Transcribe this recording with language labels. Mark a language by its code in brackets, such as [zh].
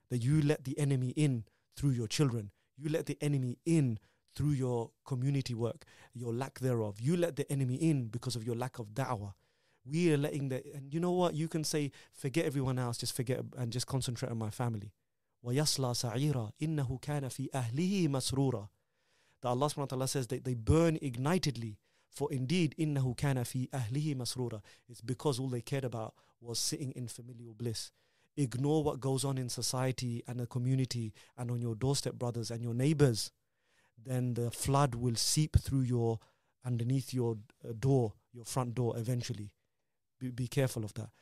[en] That you let the enemy in through your children. You let the enemy in through your community work, your lack thereof. You let the enemy in because of your lack of da'wah. We are letting the, and you know what? You can say, forget everyone else, just forget and just concentrate on my family. [ar] وَيَصْلَى سَعِيرًا إِنَّهُ كَانَ فِي أَهْلِهِ مَسْرُورًا. [en] That Allah subhanahu wa ta'ala says that they burn ignitedly. For indeed, [ar] إِنَّهُ كَانَ فِي أَهْلِهِ مَسْرُورًا. [en] It's because all they cared about was sitting in familial bliss. Ignore what goes on in society and the community and on your doorstep, brothers and your neighbors. Then the flood will seep through your, underneath your door, your front door eventually. Be careful of that.